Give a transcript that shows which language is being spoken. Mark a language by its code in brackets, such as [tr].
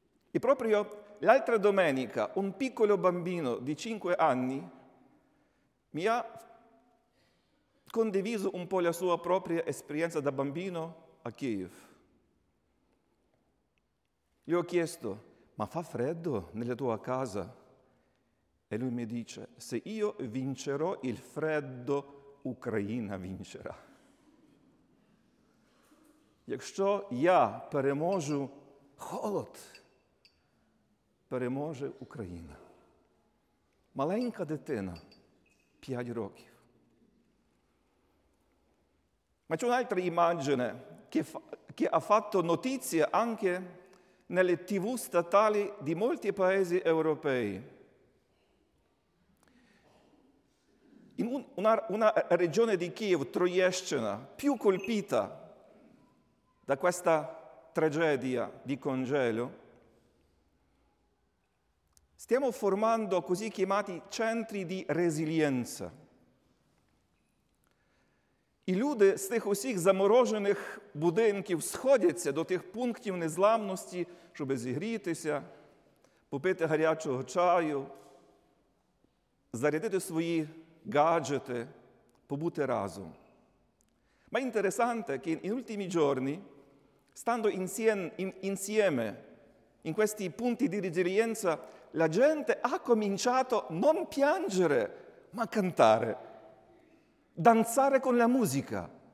[it] E proprio l'altra domenica un piccolo bambino di 5 anni mi ha condiviso un po' la sua propria esperienza da bambino a Kiev. Gli ho chiesto, ma fa freddo nella tua casa? E lui mi dice, se io vincerò il freddo, Ucraina vincerà. [uk] Якщо я переможу холод, переможе Україна. Маленька дитина, 5 років. [it] Ma c'è un'altra immagine che ha fatto notizia anche nelle TV statali di molti paesi europei. In una regione di Kiev, Troieschina, più colpita da questa tragedia di congelo, stiamo formando così chiamati centri di resilienza. [uk] I люди з тих усіх заморожених будинків сходяться до тих пунктів незламності, щоб зігрітися, попити гарячого чаю, зарядити свої гаджети, побути разом. [it] Ma è interessante che in ultimi giorni stando insieme in questi punti di resilienza, la gente ha cominciato non piangere, ma cantare, danzare con la musica.